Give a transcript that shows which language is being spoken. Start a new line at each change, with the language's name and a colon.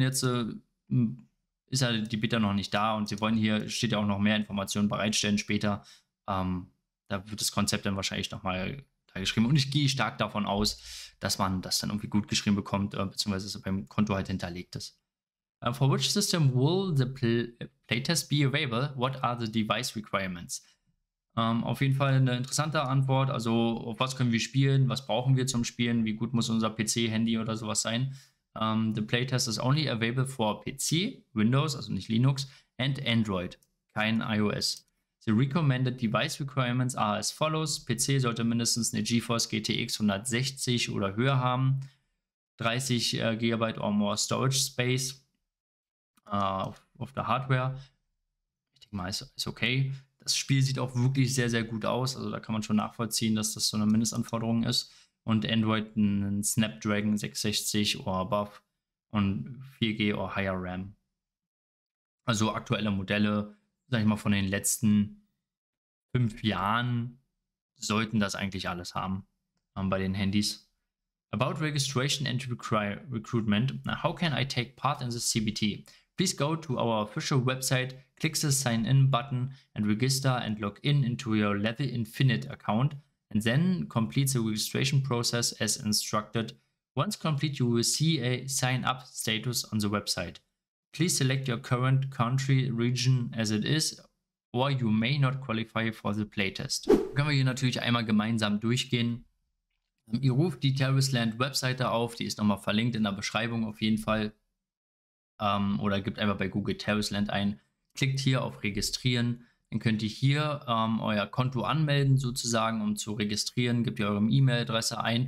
German: Jetzt ist ja halt die Beta noch nicht da und sie wollen hier, steht ja auch noch mehr Informationen bereitstellen später. Da wird das Konzept dann wahrscheinlich nochmal da geschrieben. Und ich gehe stark davon aus, dass man das dann irgendwie gut geschrieben bekommt, beziehungsweise dass es beim Konto halt hinterlegt ist.
English: For which system will the playtest be available? What are the device requirements?
German: Auf jeden Fall eine interessante Antwort. Also, auf was können wir spielen? Was brauchen wir zum Spielen? Wie gut muss unser PC, Handy oder sowas sein?
English: The playtest is only available for PC, Windows,
German: also nicht Linux,
English: and Android,
German: kein iOS.
English: The recommended device requirements are as follows.
German: PC sollte mindestens eine GeForce GTX 160 oder höher haben.
English: 30 GB or more storage space
German: auf der Hardware. Ich denke mal, ist okay. Das Spiel sieht auch wirklich sehr, sehr gut aus. Also da kann man schon nachvollziehen, dass das so eine Mindestanforderung ist. Und Android einen Snapdragon 660 oder above und 4G oder higher RAM. Also aktuelle Modelle, sag ich mal, von den letzten 5 Jahren sollten das eigentlich alles haben bei den Handys.
English: About registration and recruitment. How can I take part in this CBT? Please go to our official website, click the sign-in button and register and log in into your Level Infinite account and then complete the registration process as instructed. Once complete, you will see a sign-up status on the website. Please select your current country region as it is or you may not qualify for the playtest.
German: Können wir hier natürlich einmal gemeinsam durchgehen. Ihr ruft die Terraceland Webseite auf, die ist nochmal verlinkt in der Beschreibung auf jeden Fall. Oder gebt einfach bei Google Terraceland ein, klickt hier auf Registrieren, dann könnt ihr hier euer Konto anmelden sozusagen, um zu registrieren, gebt ihr eure E-Mail-Adresse ein.